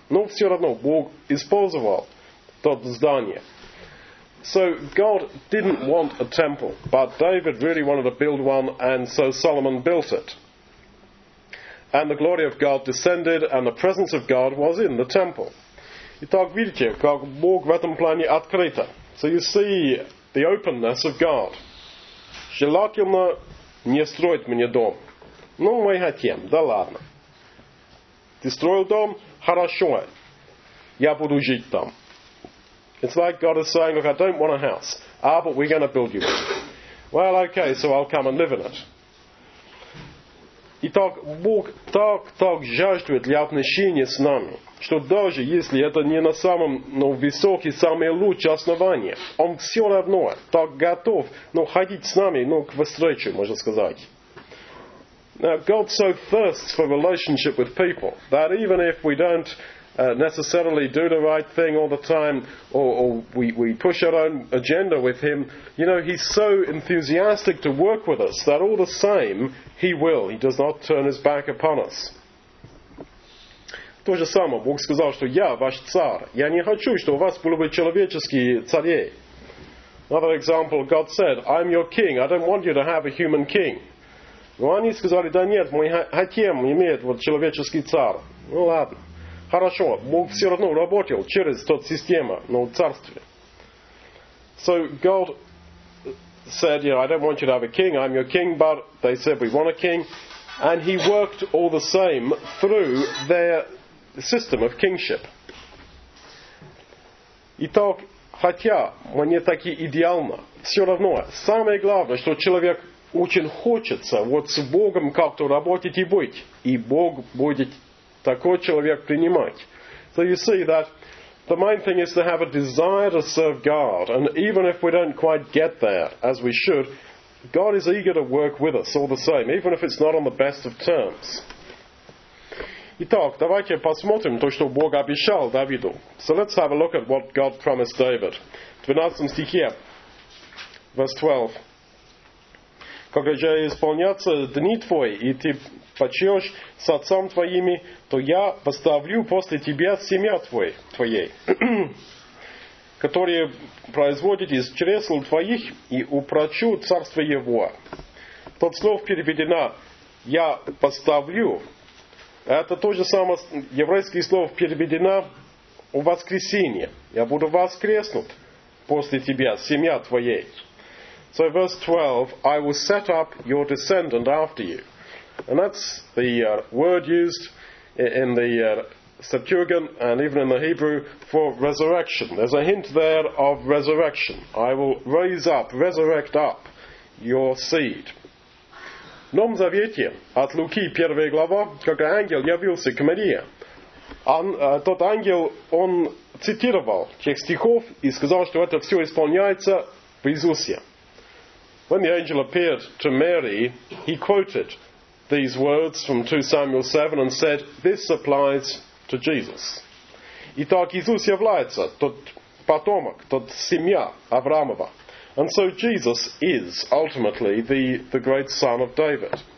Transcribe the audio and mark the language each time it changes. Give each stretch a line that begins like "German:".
Russian: Но все равно Бог использовал тот здание.
English: So God didn't want a temple, but David really wanted to build one, and so Solomon built it. And the glory of God descended, and the presence of God was in the temple.
Russian: Итак, видите, как Бог в этом плане открыто.
English: So you see the openness of God.
Russian: Желательно не строить мне дом. Ну, мы хотим, да ладно. Ты строил дом? Хорошо. Я буду жить там.
English: It's like God is saying, look, I don't want a house. Ah, but we're going to build you one. Well, okay, so I'll come and live in it.
Russian: Итак, Бог так жаждует для отношения с нами, что даже если это не на самом ну, высоком, самое лучшее основание, Он все равно так готов ну, ходить с нами ну, к встрече, можно сказать.
English: Now, God so thirsts for relationship with people that even if we don't necessarily do the right thing all the time or we push our own agenda with Him, you know, He's so enthusiastic to work with us that all the same, He will. He does not turn His back upon us.
Russian: То же самое. Бог сказал, что я ваш царь. Я не хочу, что у вас было бы человеческие цари.
English: Another example, God said, I'm your king. I don't want you to have a human king.
Russian: Но они сказали, да нет, мы хотим иметь вот человеческий царь. Ну ладно. Хорошо, Бог все равно работал через тот систему, но в царстве.
English: So God said, you know, I don't want you to have a king, I'm your king, but they said we want a king. And He worked all the same through their system of kingship.
Russian: Итак, хотя мне так и идеально, все равно, самое главное, что человек очень хочется вот с Богом как-то работать и быть. И Бог будет такой человек принимать.
English: So you see that the main thing is to have a desire to serve God. And even if we don't quite get there as we should, God is eager to work with us all the same, even if it's not on the best of terms.
Russian: Итак, давайте посмотрим то, что Бог обещал Давиду.
English: So let's have a look at what God promised David.
Russian: 12 стихе,
English: verse 12.
Russian: Когда же исполнятся дни твои, и ты почьешь с отцом твоими, то я поставлю после тебя семья твоей, которая производит из чресл твоих, и упрочу царство его. Тот слов переведена «я поставлю». Это то же самое еврейское слово переведено у воскресенье. Я буду воскреснут после тебя, семья твоей.
English: So verse 12, I will set up your descendant after you. And that's the word used in the Septuagint and even in the Hebrew for resurrection. There's a hint there of resurrection. I will raise up, resurrect up your seed.
Russian: В Новом Завете от Луки, первая глава, когда ангел явился к Марии, тот ангел, он цитировал тех стихов и сказал, что это все исполняется в Иисусе.
English: When the angel appeared to Mary, he quoted these words from 2 Samuel 7 and said, this applies to Jesus.
Russian: Итак, Иисус является тот потомок, тот семья Авраамова.
English: And so Jesus is ultimately the great son of David.